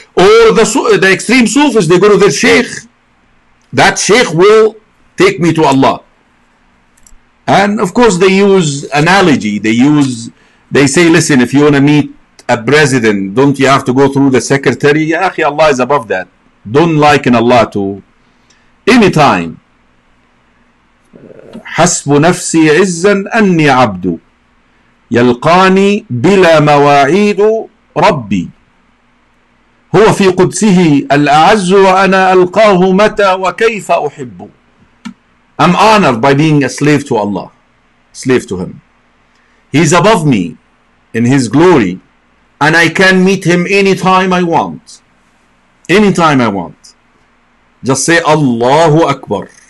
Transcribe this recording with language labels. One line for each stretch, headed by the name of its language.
English: Or the extreme Sufis, they go to their sheikh. That sheikh will take me to Allah. And of course, they use analogy. They say, listen, if you want to meet a president, don't you have to go through the secretary? Ya akhi, Allah is above that. Don't liken Allah to any time.
Arabic: حسب نفسي عزا أني عبد يلقاني بلا مواعيد ربي. هو في قدسه الأعز وأنا ألقاه متى وكيف أحب.
English: I'm honored by being a slave to Allah, slave to him. He's above me in his glory and I can meet him anytime I want. Anytime I want. Just say Allahu Akbar.